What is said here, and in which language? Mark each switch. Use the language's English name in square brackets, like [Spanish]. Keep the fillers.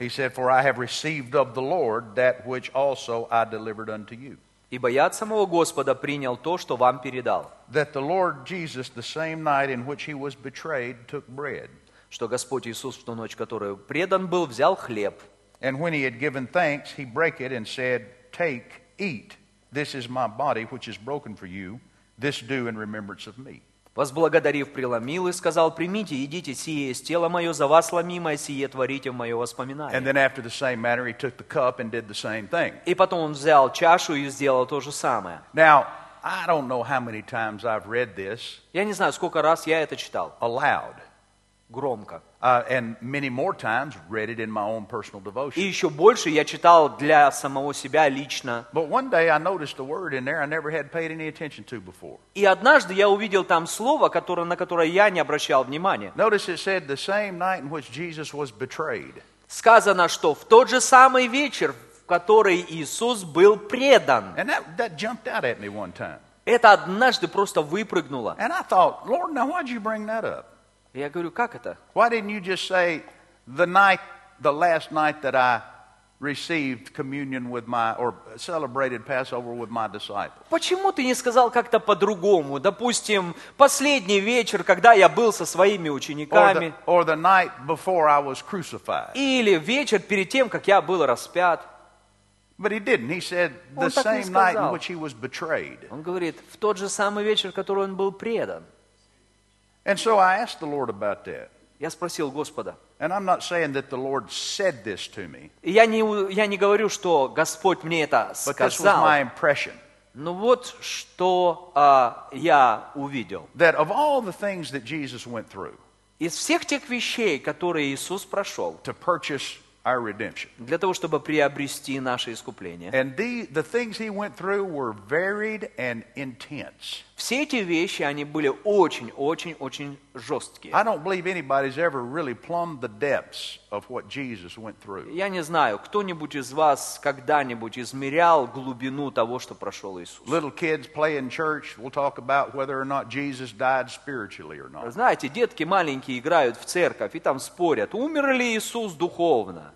[English] He said, For I have received of the Lord that which also I delivered unto you. [Russian] Ибо я от Господа принял то, что вам передал. [English] That the Lord Jesus, the same night in which he was betrayed, took bread. [Russian] Что Господь Иисус в ту ночь, которую предан был, взял хлеб. [English] And when he had given thanks, he broke it and said, Take, eat, this is my body which is broken for you, this do in remembrance of me. [Russian] Возблагодарив, преломил и сказал, примите, едите, сие есть тело мое, за вас ломимое, сие творите в мое воспоминание. И потом он взял чашу и сделал то же самое. [English] Now, I don't know how many times I've read this [Russian] я не знаю, сколько раз я это читал. [English] Aloud. [Russian] громко. [English] Uh, and many more times read it in my own personal devotion. [Russian] И еще больше я читал для самого себя лично. [English] But one day I noticed a word in there I never had paid any attention to before. [Russian] И однажды я увидел там слово, которое, на которое я не обращал внимания. [English] Notice it said the same night in which Jesus was betrayed. [Russian] Сказано, что в тот же самый вечер, в который Иисус был предан. [English] And that, that jumped out at me one time. [Russian] Это однажды просто выпрыгнуло. [English] And I thought, Lord, now why'd you bring that up? [Russian] я говорю, как это? [English] Why didn't you just say the night, the last night that I received communion with my or celebrated Passover with my disciples? [Russian] Почему ты не сказал как-то по-другому? Допустим, последний вечер, когда я был со своими учениками. [English] Or the, or the night before I was crucified. [Russian] Или вечер перед тем, как я был распят. [English] But he didn't. He said the same night in which he was betrayed. [Russian] Он говорит, в тот же самый вечер, который он был предан. [English] And so I asked the Lord about that. [Russian] Я спросил Господа. [English] And I'm not saying that the Lord said this to me. [Russian] Я не я не говорю, что Господь мне это сказал. [English] But this was my impression. [Russian] Ну вот что uh, я увидел. [English] That of all the things that Jesus went through. [Russian] Из всех тех вещей, которые Иисус прошел. [English] To purchase our redemption. [Russian] Для того, чтобы приобрести наше искупление. [English] And the the things he went through were varied and intense. [Russian] Все эти вещи, они были очень-очень-очень жесткие. Я не знаю, кто-нибудь из вас когда-нибудь измерял глубину того, что прошел Иисус. Знаете, [English] we'll you know, [Russian] детки маленькие играют в церковь и там спорят, умер ли Иисус духовно.